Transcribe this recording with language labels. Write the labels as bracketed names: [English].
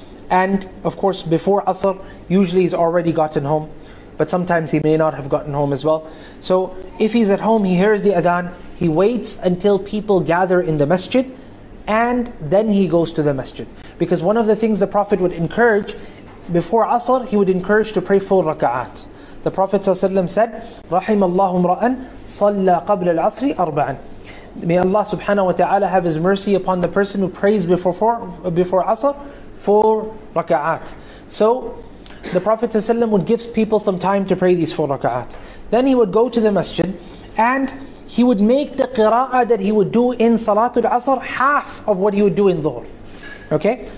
[English] And of course, before Asr, usually he's already gotten home, but sometimes he may not have gotten home as well. So if he's at home, he hears the Adhan, he waits until people gather in the masjid, and then he goes to the masjid. Because one of the things the Prophet would encourage, before Asr, he would encourage to pray four raka'at. The Prophet ﷺ said, [Arabic] رَحِمَ اللَّهُ امْرَأً صَلَّى قَبْلَ الْعَصْرِ أَرْبَعًا. [English] May Allah subhanahu wa ta'ala have his mercy upon the person who prays before Asr, four raka'at. So the Prophet ﷺ would give people some time to pray these four raka'at. Then he would go to the masjid and he would make the qira'ah that he would do in Salatul Asr half of what he would do in Dhuhr. Okay?